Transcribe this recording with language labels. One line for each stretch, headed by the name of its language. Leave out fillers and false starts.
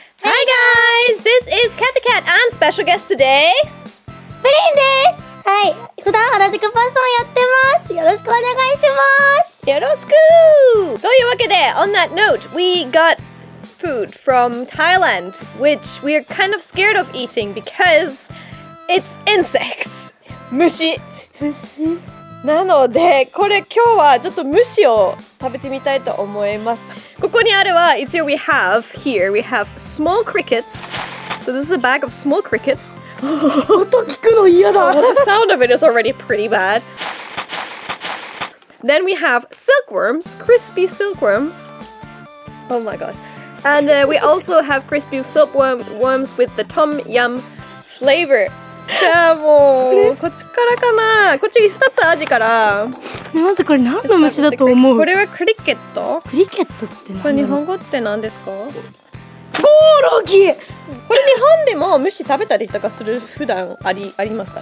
English: Hey guys, this is Cathy Cat and special guest today.
Japanese: プリンです。はい、普段原宿パッションやってます。よろしくお願いします。よろしく。というわけで、
English: on that note, we got food from Thailand, which we are kind of scared of eating because it's insects.
Japanese: 虫。なのでこれ今日はちょっと虫を食べてみたいと思います。ここにあるは、
English: it's here we have here we have small crickets. So this is a bag of small crickets.
Japanese: 音聞くの嫌だ。
English: The sound of it is already pretty bad. Then we have silkworms, crispy silkworms. Oh my gosh. And we also have crispy silkworms with the tom yum flavor.
Japanese: じゃあもうこっちからかな。こっち二つ味から。まずこれ何の虫だと思う。これはクリケット。クリケットって何？これ日本語って何ですか？ゴオロギ。これ日本でも虫食べたりとかする普段ありますか？